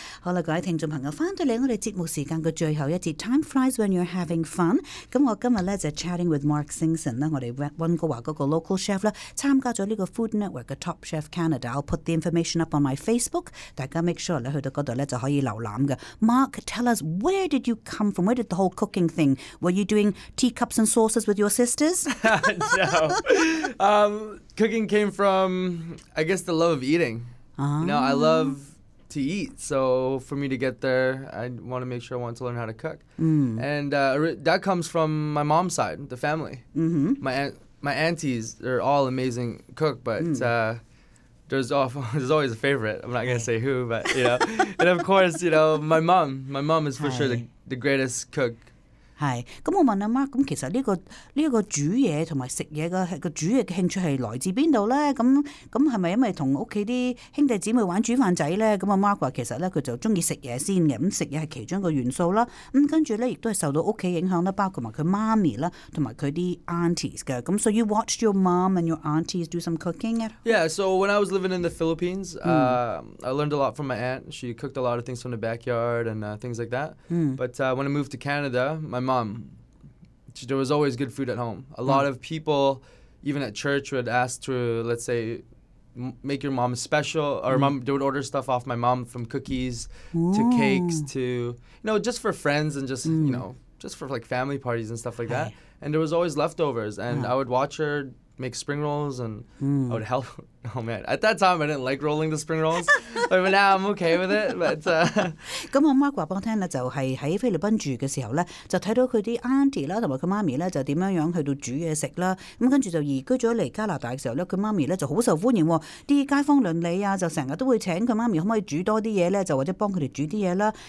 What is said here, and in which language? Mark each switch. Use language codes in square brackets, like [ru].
[yue] 好啦，各位听众朋友，翻到嚟我哋节目时间嘅最后一节 ， [en] Time flies when you're having fun。 [yue] 咁我今日咧就 [en] chatting with Mark Singson [yue] 啦，我哋温哥华嗰个 local chef 啦，参加咗呢个 Food Network 嘅 Top Chef Canada。 [en] I'll put the information up on my Facebook， [yue] 大家 [en] make sure [yue] 咧去到嗰度咧就可以浏览嘅。 [en] Mark， tell us where did you come from？ Where did the whole cooking thing？ Were you doing teacups and saucers with your sisters？ No， cooking came from， I guess the love of eating。 No， I love to eat. So for me to get there, I want to make sure I want to learn how to cook. Mm. And that comes from my mom's side, the family. Mm-hmm. My aunties, they're all amazing cook, but there's always a favorite. I'm not going to say who, but, you know. And of course, you know, my mom. My mom is for sure the greatest cook. [yue] 係，咁我問阿 Mark， 咁其實呢個煮嘢同埋食嘢個煮嘢嘅興趣係來自邊度咧？咁係咪因為同屋企啲兄弟姊妹玩煮飯仔咧？咁阿 Mark 話其實咧佢就中意食嘢先嘅，咁食嘢係其中一個元素啦。咁跟住咧亦都係受到屋企影響啦，包括埋佢媽咪啦，同埋佢啲 aunties 嘅。咁 [en] so you watched your mom and your aunties do some cooking at home? Yeah, so when I was living in the Philippines, I learned a lot from my aunt. She cooked a lot of things from the backyard and things like that. But when I moved to Canada, my mom, there was always good food at home. A lot of people, even at church, would ask to, let's say, make your mom special, or mom, they would order stuff off my mom, from cookies to cakes to, you know, just for friends and just, you know, just for like family parties and stuff like that. And there was always leftovers, and I would watch her make spring rolls, and I would help. Oh man, at that time I didn't like rolling the spring rolls, but now I'm okay with it. But [yue] 咁我 Mark 話俾我聽咧，就係喺菲律賓住嘅時候咧，就睇到佢啲 auntie 啦，同埋佢媽咪咧，就點樣樣去到煮嘢食啦。咁跟住就移居咗嚟加拿大嘅時候咧，佢媽咪咧就好受歡迎喎。啲街坊鄰里啊，就成日都會請佢媽咪可唔可以煮多啲嘢咧，就或者幫佢哋煮啲嘢啦。